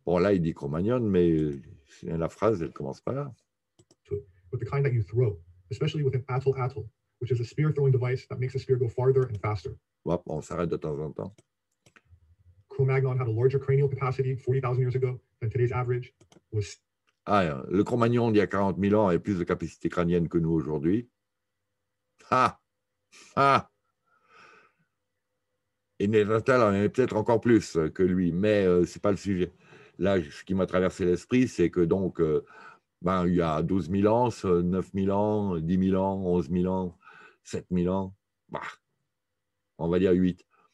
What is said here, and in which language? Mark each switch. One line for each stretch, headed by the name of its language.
French: Bon, là, il dit Cro-Magnon, mais la phrase, elle commence pas là.
English: With the kind that you throw. Especially with an atel-atel, which is a spear-throwing device that makes a spear go farther and faster.
French: Hop, on s'arrête de temps en temps.
English: Cro-Magnon had a larger cranial capacity 40,000 years ago than today's average.
French: Le Cro-Magnon d'il y a 40 000 ans a plus de capacité crânienne que nous aujourd'hui. Et Néandertal en avait peut-être encore plus que lui, mais c'est pas le sujet. Là, ce qui m'a traversé l'esprit, c'est que donc, il y a 12 000 ans, 9 000 ans, 10 000 ans, 11 000 ans, 7 000 ans, on va dire 8.